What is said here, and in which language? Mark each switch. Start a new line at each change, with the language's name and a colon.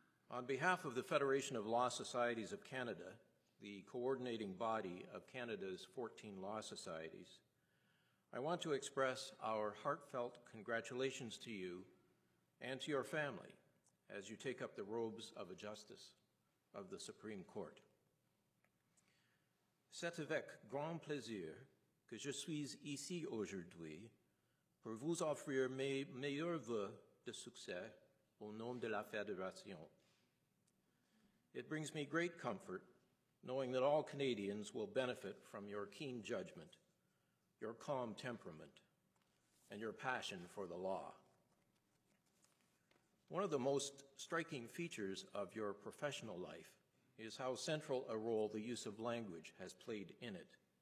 English: On behalf of the Federation of Law Societies of Canada, the coordinating body of Canada's 14 law societies, I want to express our heartfelt congratulations to you and to your family as you take up the robes of a justice of the Supreme Court.
French: C'est avec grand plaisir que je suis ici aujourd'hui pour vous offrir mes meilleurs voeux de succès au nom de la Fédération.
English: It brings me great comfort knowing that all Canadians will benefit from your keen judgment, your calm temperament, and your passion for the law. One of the most striking features of your professional life is how central a role the use of language has played in it.